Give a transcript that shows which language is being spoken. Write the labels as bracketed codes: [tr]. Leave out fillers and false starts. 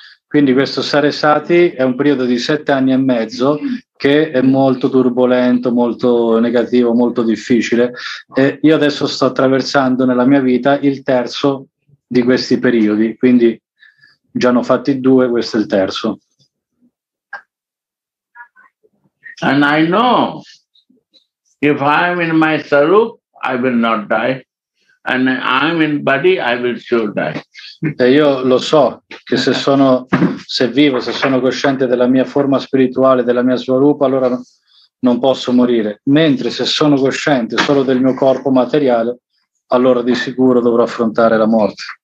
[it] Quindi questo Saraswati è un periodo di 7 anni e mezzo che è molto turbolento, molto negativo, molto difficile, e io adesso sto attraversando nella mia vita il terzo di questi periodi, quindi già hanno fatti 2, questo è il terzo. [en] And I know if I am in my sarup, I will not die. And I'm in body, I will sure die. [it] E io lo so che se sono, se vivo, se sono cosciente della mia forma spirituale, della mia svarupa, allora non posso morire. Mentre se sono cosciente solo del mio corpo materiale, allora di sicuro dovrò affrontare la morte.